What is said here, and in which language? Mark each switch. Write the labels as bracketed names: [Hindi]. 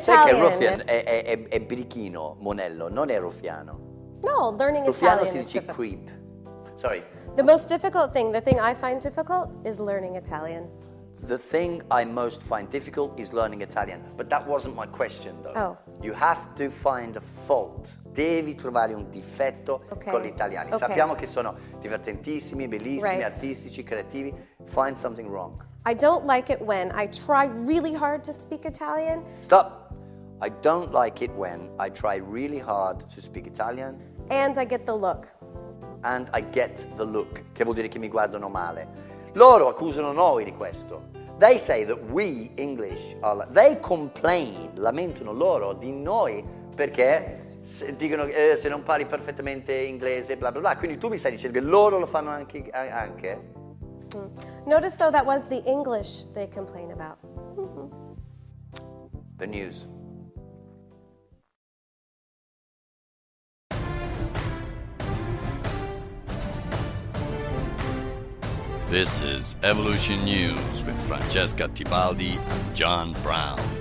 [Italian] Sai che ruffian è birichino, monello, non è ruffiano. [English] No, learning [Italian] ruffiano [English] Italian [Italian] si dice creep. [English] Sorry. The most difficult thing, the thing I find difficult, is learning Italian. The thing I most find difficult is learning Italian. But that wasn't my question, though. Oh. You have to find a fault. [Italian] Devi trovare un difetto con gli italiani. [English] Okay. [Italian] Sappiamo che sono divertentissimi, bellissimi, right. artistici, creativi. [English] Find something wrong. I don't like it when I try really hard to speak Italian. Stop. I don't like it when I try really hard to speak Italian. And I get the look. And I get the look. [Italian] Che vuol dire che mi guardano male. Loro accusano noi di questo. [English] They say that we English are like, they complain, [Italian] lamentano loro di noi perché se, dicono se non parli perfettamente inglese, bla bla bla. Quindi tu mi stai dicendo che loro lo fanno anche. [English] Notice though that was the English they complain about. The news. This is Evolution News with Francesca Tibaldi and John Brown.